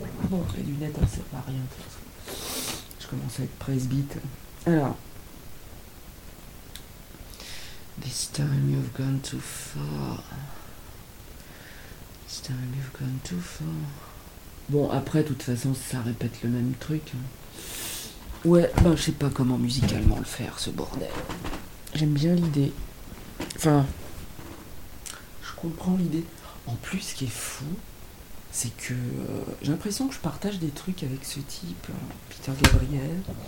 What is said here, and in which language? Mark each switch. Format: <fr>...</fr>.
<fr>Bon, les lunettes, ça sert à rien. Je commence à être presbyte. Alors.</fr> <en>This time you've gone too far. This time you've gone too far.</en> <fr>Bon, après, de toute façon, ça répète le même truc. Ouais, ben, je sais pas comment musicalement le faire, ce bordel. J'aime bien l'idée. Enfin, je comprends l'idée. En plus, ce qui est fou, c'est que j'ai l'impression que je partage des trucs avec ce type, Peter Gabriel.</fr>